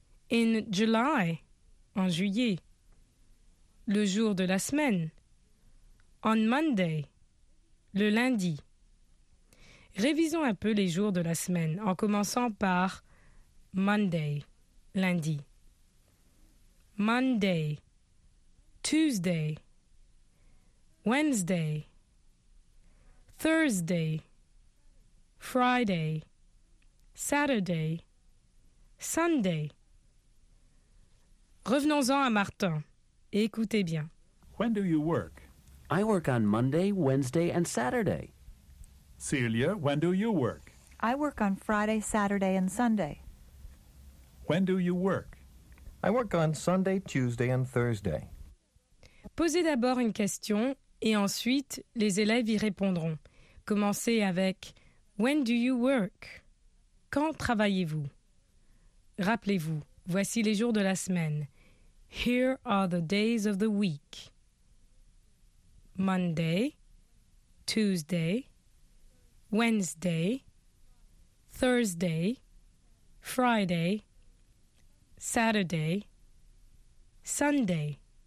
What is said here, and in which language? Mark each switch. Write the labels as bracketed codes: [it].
[en] In July. [fr] En juillet. Le jour de la semaine. [en] On Monday. [fr] Le lundi. Révisons un peu les jours de la semaine en commençant par Monday, lundi. [en] Monday, Tuesday, Wednesday, Thursday, Friday, Saturday, Sunday. [fr] Revenons-en à Martin. Écoutez bien. [en] When do you work? I work on Monday, Wednesday and Saturday. Celia, when do you work? I work on Friday, Saturday, and Sunday. When do you work? I work on Sunday, Tuesday, and Thursday. [fr] Posez d'abord une question et ensuite les élèves y répondront. Commencez avec [en] When do you work? [fr] Quand travaillez-vous? Rappelez-vous, voici les jours de la semaine. [en] Here are the days of the week. Monday, Tuesday, Wednesday, Thursday, Friday, Saturday, Sunday.